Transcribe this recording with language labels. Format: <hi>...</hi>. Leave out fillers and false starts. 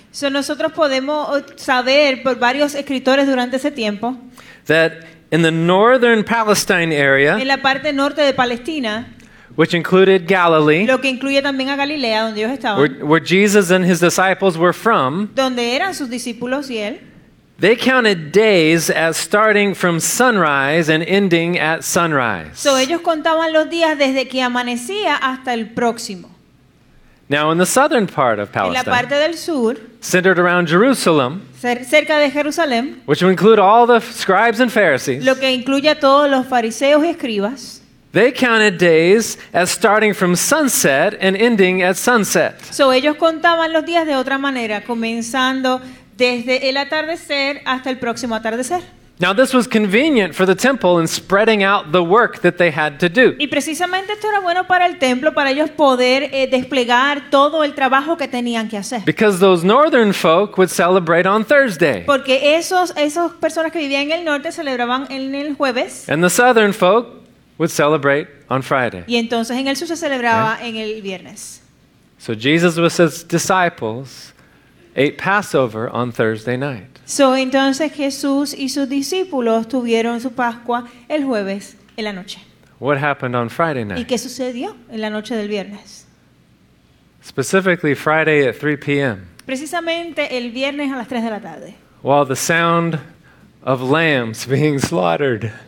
<es>So nosotros podemos saber por varios escritores durante ese tiempo.</es> <en>That in the northern Palestine area,</en> <es>en la parte norte de Palestina,</es> <en>which included Galilee,</en> <es>lo que incluye también a Galilea, donde ellos estaban,</es> <en>where Jesus and his disciples were from,</en> <es>donde eran sus discípulos y él,</es> <en>they counted days as starting from sunrise and ending at sunrise.</en> <es>So ellos contaban los días desde que amanecía hasta el próximo.</es> <en>Now in the southern part of Palestine,</en> <es>en la parte del sur,</es> <en>centered around Jerusalem,</en> <es>cerca de Jerusalén,</es> <en>which would include all the scribes and Pharisees,</en> <es>lo que incluye a todos los fariseos y escribas,</es> <en>they counted days as starting from sunset and ending at sunset.</en> <es>So ellos contaban los días de otra manera, comenzando desde el atardecer hasta el próximo atardecer.</es> <en>Now this was convenient for the temple in spreading out the work that they had to do.</en> <es>Y precisamente esto era bueno para el templo para ellos poder desplegar todo el trabajo que tenían que hacer.</es> <en>Because those northern folk would celebrate on Thursday.</en> <es>Porque esos personas que vivían en el norte celebraban en el jueves.</es> <en>And the southern folk would celebrate on Friday.</en> <es>Y entonces en el sur se celebraba en el viernes.</es> <en>So Jesus with his disciples ate Passover on Thursday night.</en> <es>So entonces Jesús y sus discípulos tuvieron su Pascua el jueves en la noche.</es> <en>What happened on Friday night?</en> <es>¿Y qué sucedió en la noche del viernes?</es> <en>Specifically Friday at 3 p.m.</en> <es>Precisamente el viernes a las 3 de la tarde.</es> <en>While the sound of lambs being slaughtered.</en>